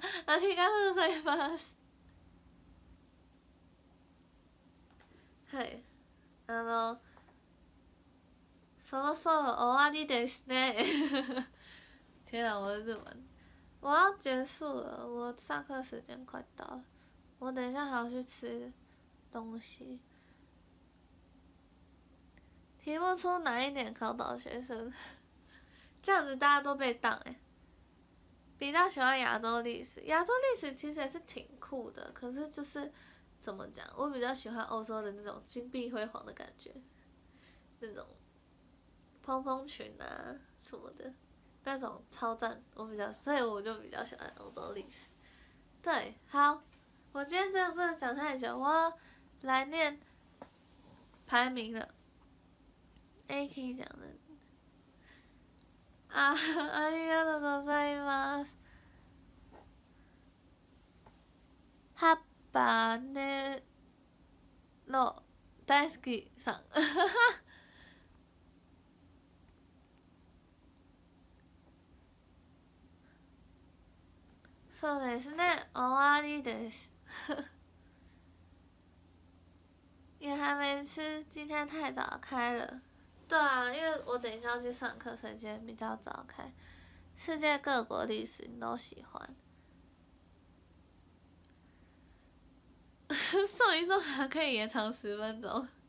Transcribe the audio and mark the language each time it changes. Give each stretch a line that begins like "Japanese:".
Japanese: ありがとうございます。はい、あのそろそろ終わりですね。
Chinese: 天哪，我日文，我要结束了，我上课时间快到了，我等一下还要去吃东西。题目出哪一年考到学生？这样子大家都被当哎。比较喜欢亚洲历史，亚洲历史其实也是挺酷的，可是就是。怎么讲，我比较喜欢欧洲的那种金碧辉煌的感觉，那种蓬蓬裙啊什么的，那种超赞，我比较，所以我就比较喜欢欧洲历史。对，好，我今天真的不能讲太久，我来念排名了。 A 可以讲的啊，
Japanese: ありがとうございます。哈バネロ大好きさん。そうですね、終わりです。
Chinese: 也还没吃，今天太早开了。对啊，因为我等一下要去上课，所以今天比较早开。世界各国历史你都喜欢，送一送还可以延长十分钟。